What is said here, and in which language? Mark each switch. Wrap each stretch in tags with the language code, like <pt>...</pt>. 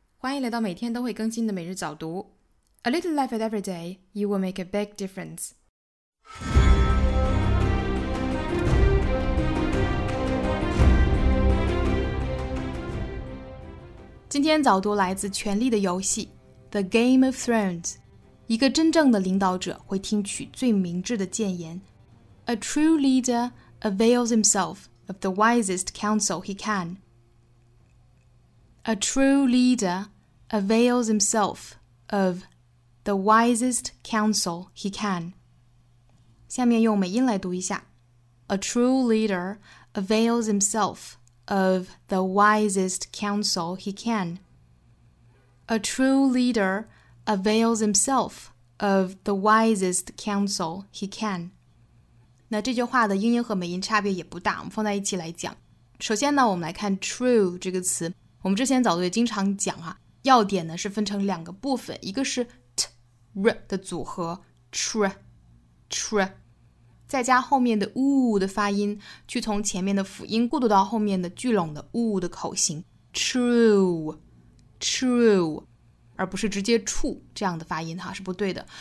<zh>欢迎来到每天都会更新的每日早读。</zh> <en>A little life at every day, you will make a big difference.</en> <zh>今天早读来自《权力的游戏》The Game of Thrones. 一个真正的领导者会听取最明智的谏言。</zh> <en>A true leader avails himself of the wisest counsel he can. A true leader avails himself of the wisest counsel he can.</en> <zh>下面用美音来读一下。</zh> <en>A true leader avails himself of the wisest counsel he can. A true leader avails himself of the wisest counsel he can.</en> <zh>那这句话的英音和美音差别也不大，我们放在一起来讲。首先呢，我们来看 true 这个词。我们之前早读也经常讲啊，要点呢是分成两个部分，一个是 tr 的组合 tr 再加后面的 u 的发音，去从前面的辅音过渡到后面的聚拢的 u 的口型 true 而不是直接 true 这样的发音哈，是不对的。</zh>